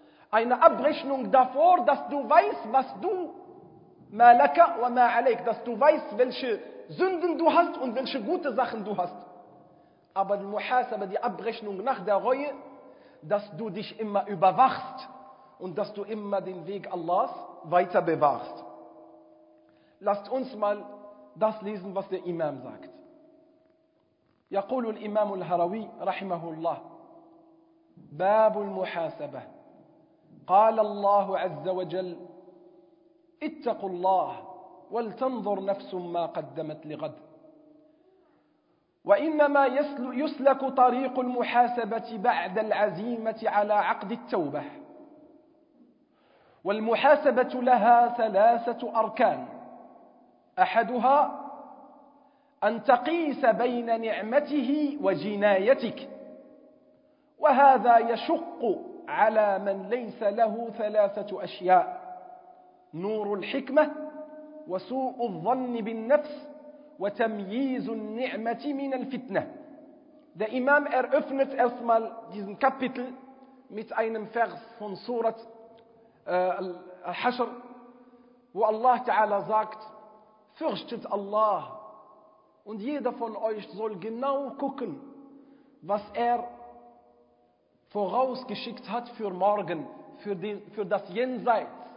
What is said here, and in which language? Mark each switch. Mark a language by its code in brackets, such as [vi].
[de] Eine Abrechnung davor, dass du weißt, was du, [ar] ma laka wa ma alayk, [de] dass du weißt, welche Sünden du hast und welche gute Sachen du hast. Aber die Muhasaba, die Abrechnung nach der Reue, dass du dich immer überwachst und dass du immer den Weg Allahs weiter bewahrst. Lasst uns mal das lesen, was der Imam sagt. [ar] يقول الإمام الهروي رحمه الله باب المحاسبة قال الله عز وجل اتقوا الله ولتنظر نفس ما قدمت لغد وإنما يسلك طريق المحاسبة بعد العزيمة على عقد التوبة. والمحاسبة لها ثلاثة أركان: أحدها أن تقيس بين نعمته وجنايتك، وهذا يشق على من ليس له ثلاثة أشياء: نور الحكمة، وسوء الظن بالنفس، وتمييز النعمة من الفتنة. [de] The Imam eröffnet erstmal diesen Kapitel mit einem Vers von Surat Al-Hashr, wo Allah Ta'ala sagt: Fürchtet Allah, und jeder von euch soll genau gucken, was er vorausgeschickt hat für morgen, für das Jenseits.